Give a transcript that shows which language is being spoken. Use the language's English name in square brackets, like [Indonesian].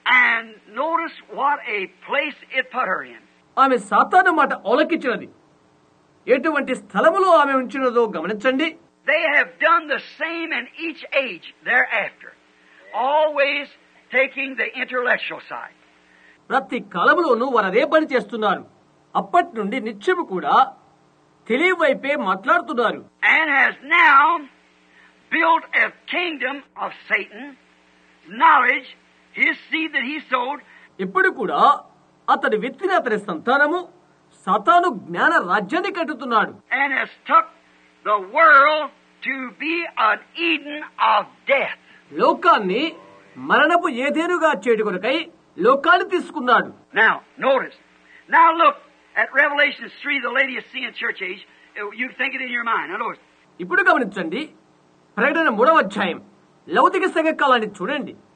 [English] And notice what a place it put her in. [Telugu] ఆమె సాతాను మాట ఆలకించినది. ఎటువంటి స్థలములో ఆమె ఉంచినదో గమనించండి. [English] They have done the same in each age thereafter, always taking the intellectual side. [Telugu] ప్రతి కాలములోనూ వారు అదే పని చేస్తున్నారు. అప్పటి నుండి నిత్యము కూడా తెలివైపే మాట్లాడుతున్నారు. [English] And has now built a kingdom of Satan, knowledge, his seed that he sowed. [Telugu] ఇప్పుడు కూడా అతడు విత్తిన అతని సంతానము సాతాను జ్ఞాన రాజ్యాన్ని కట్టుతున్నాడు. [English] And has took the world to be an Eden of death. [Telugu] లోకాన్ని మరణపు ఏదేనుగా చేయుటకై లోకాన్ని తీసుకున్నాడు. [English] Now notice. Now look at Revelation 3, the Laodicean church age. You think it in your mind. Now notice. [Telugu] ఇప్పుడు గమనించండి, ప్రకటన 3వ అధ్యాయం లౌకిక సంఘ కాలాన్ని చూడండి.